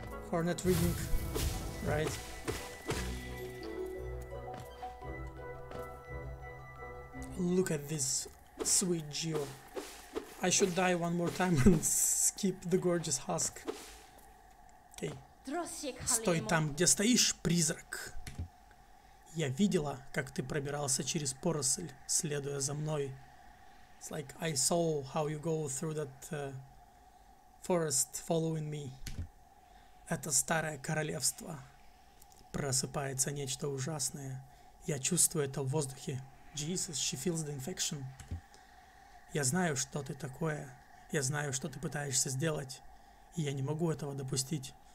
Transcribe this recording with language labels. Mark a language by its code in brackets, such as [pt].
[en] Cornet reading, right? Look at this sweet geo. I should die one more time and skip the gorgeous husk. Okay. [ru] Стой там, где стоишь, призрак. Я видела, как ты пробирался через поросль, следуя за мной. [en] It's like I saw how you go through that forest following me. [ru] Это старое королевство. Просыпается нечто ужасное. Я чувствую это в воздухе. [en] Jesus, she feels the infection. [ru] Я знаю, что ты такое. Я знаю, что ты пытаешься сделать. И я не могу этого допустить.